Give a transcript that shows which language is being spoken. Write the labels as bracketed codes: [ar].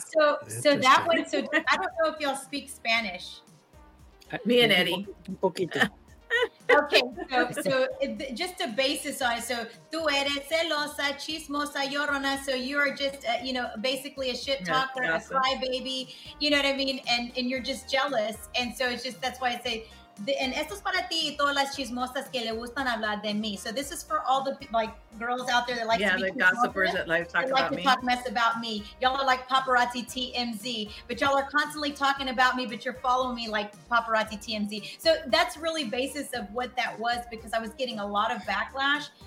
[en] So I don't know if y'all speak Spanish. Me and Eddie. [es] Un poquito. [en] Okay, so just a basis on it. So [es] tú eres celosa, chismosa, llorona. [en] So you are just, basically a shit talker, yeah, awesome. A crybaby. You know what I mean? And you're just jealous. And so it's just, that's why I say, and [es] esto es para ti y todas las chismosas que le gustan hablar de mí. [en] So this is for all the like girls out there that like to be [es] chismosas. [en] Yeah, the gossipers that like to talk about me. Like to talk mess about me. Y'all are like paparazzi TMZ, but y'all are constantly talking about me, but you're following me like paparazzi TMZ. So that's really basis of what that was, because I was getting a lot of backlash.